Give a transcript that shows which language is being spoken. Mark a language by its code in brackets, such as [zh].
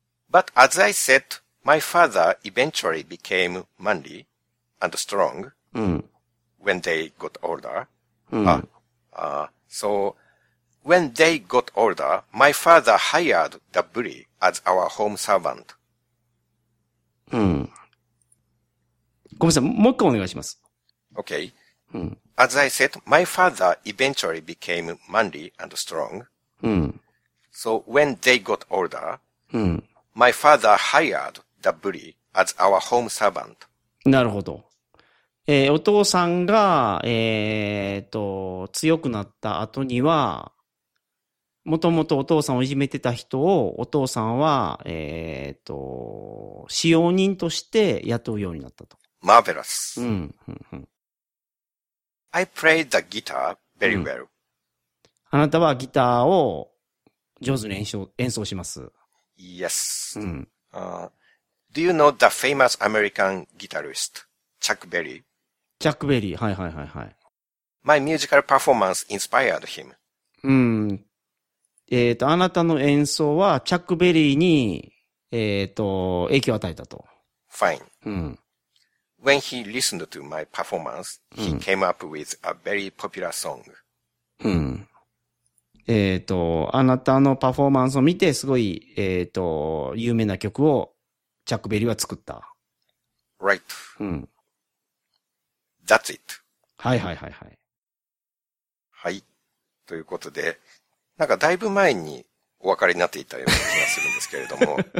[en] But as I said, my father eventually became manly. And strong、 [ja] うん、 [en] when they got older.、 [ja] うん、 [en] So, when they got older, my father hired the bully as our home servant.、 [ja] うん、ごめんなさい、もう一回お願いします。 [en] Okay.、 [ja] うん、 [en] as I said, my father eventually became manly and strong.、 [ja] うん、 [en] so, when they got older,、 [ja] うん、 [en] my father hired the bully as our home servant. [ja] なるほど。お父さんが、強くなった後には、もともとお父さんをいじめてた人を、お父さんは、使用人として雇うようになったと。 [en] Marvelous.、 [ja] うん、 [en] I played the guitar very well.、うん、 [ja] あなたはギターを上手に演奏します。 [en] Yes.、 [ja] うん [en] do you know the famous American guitarist, Chuck Berry? [ja] ジャックベリー、はいはいはいはい。 [en] My musical performance inspired him. [ja] うん。あなたの演奏はチャックベリーに影響を与えたと。 [en] Fine. [ja] うん。 [en] When he listened to my performance, he came up with a very popular song. [ja] うん。あなたのパフォーマンスを見てすごい有名な曲をチャックベリーは作った。 [en] Right. [ja] うん。 [en] That's it. [ja] はいはいはいはい。はい。ということで、なんかだいぶ前にお別れになっていたような気がするんですけれども。